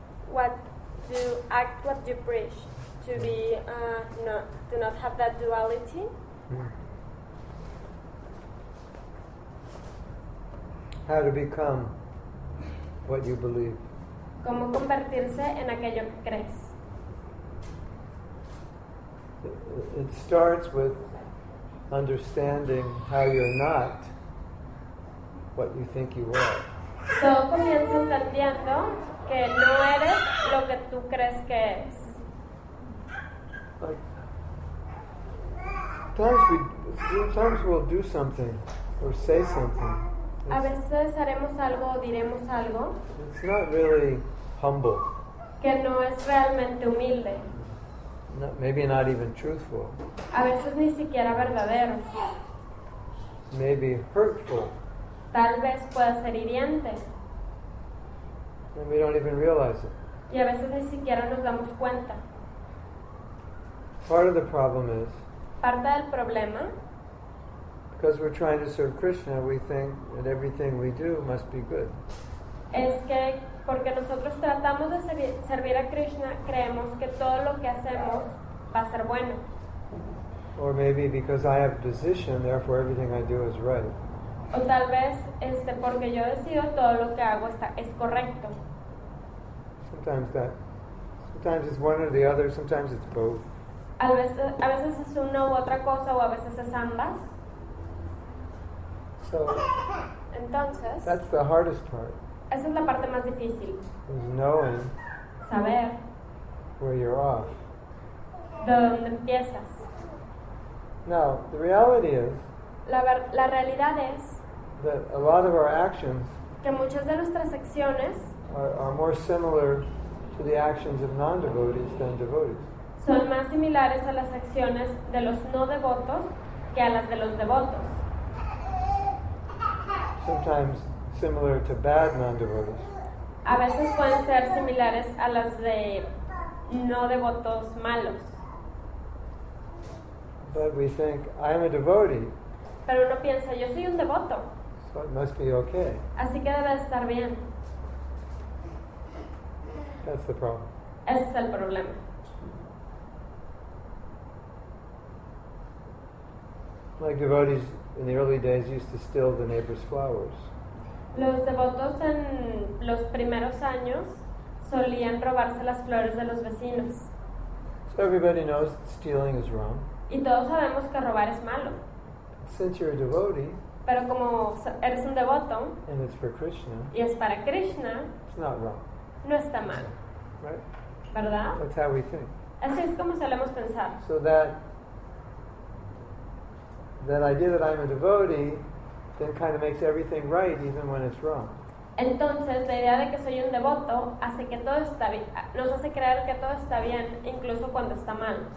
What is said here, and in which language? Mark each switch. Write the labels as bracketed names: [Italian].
[English] What to act, what you preach, to be. To not have that duality. How to become what you believe. [Spanish] ¿Cómo convertirse en aquello que crees? [English] It starts with understanding how you're not what you think you are. [Spanish] Todo comienza entendiendo que no eres lo que tú crees que eres. [English] Sometimes we'll do something or say something. [Spanish] A veces haremos algo o diremos algo. [English] It's not really humble. [Spanish] Que no es realmente humilde. [English] No, maybe not even truthful. [Spanish] A veces ni siquiera verdadero. [English] Maybe hurtful. [Spanish] Tal vez pueda ser hiriente. [English] And we don't even realize it. [Spanish] Y a veces ni siquiera nos damos cuenta. [English] Part of the problem is. [Spanish] Parte del problema. [English] Because we're trying to serve Krishna, we think that everything we do must be good. [Spanish] Es que porque nosotros tratamos de servir a Krishna, creemos que todo lo que hacemos va a ser bueno. [English] Or maybe because I have position, therefore everything I do is right. [Spanish] O tal vez porque yo decido, todo lo que hago es correcto. [English] Sometimes it's one or the other, sometimes it's both. [Spanish] A veces es una u otra cosa, o a veces es ambas. [English] So, [Spanish] entonces, [English] that's the hardest part. [Spanish] Esa es la parte más difícil. [English] Is knowing [Spanish] saber [English] where you're off. [Spanish] De donde empiezas. [English] Now, the reality is [Spanish] la realidad es [English] that a lot of our actions [Spanish] que muchas de nuestras acciones [English] are more similar to the actions of non-devotees than devotees. [Spanish] Son más similares a las acciones de los no devotos que a las de los devotos. [English] Sometimes similar to bad non-devotees. [Spanish] A veces pueden ser similares a las de no devotos malos. [English] But we think, I am a devotee. [Spanish] Pero uno piensa, yo soy un devoto. [English] So it must be okay. [Spanish] Así que debe estar bien. [English] That's the problem. [Spanish] Ese es el problema. [English] Like devotees in the early days used to steal the neighbor's flowers. [Spanish] Los devotos en los primeros años solían robarse las flores de los vecinos. [English] So everybody knows stealing is wrong. [Spanish] Y todos sabemos que robar es malo. [English] Since you're a devotee, [Spanish] pero como eres un devoto, [English] and it's for Krishna, [Spanish] y es para Krishna, [English] it's not wrong. [Spanish] No está mal. [English] Right? [Spanish] ¿Verdad? [English] That's how we think. [Spanish] Así es como solemos pensar. [English] So that idea that I'm a devotee then kind of makes everything right even when it's wrong. [Spanish] Entonces, la idea de que soy un devoto hace que todo está bien, nos hace creer que todo está bien incluso cuando está mal.